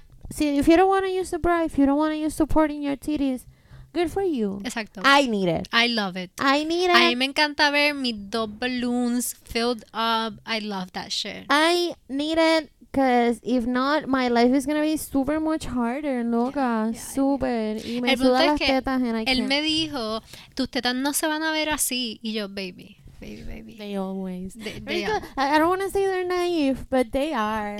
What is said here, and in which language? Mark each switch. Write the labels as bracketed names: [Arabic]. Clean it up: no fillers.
[English] See, if you don't want to use the bra, if you don't want to use supporting your titties, good for you. [Spanish] Exacto. [English] I need it. I love it. I need it. [Spanish] A mí me encanta ver mis dos [English] balloons filled up. I love that shit. I need it because if not, my life is going to be super much harder, loca. Yeah, yeah, super. Yeah. [Spanish] Y me suda las tetas en aquí. Él me dijo, tus tetas no se van a ver así. Y yo, [English] baby. Baby. They always. They are. I don't want to say they're naive, but they are.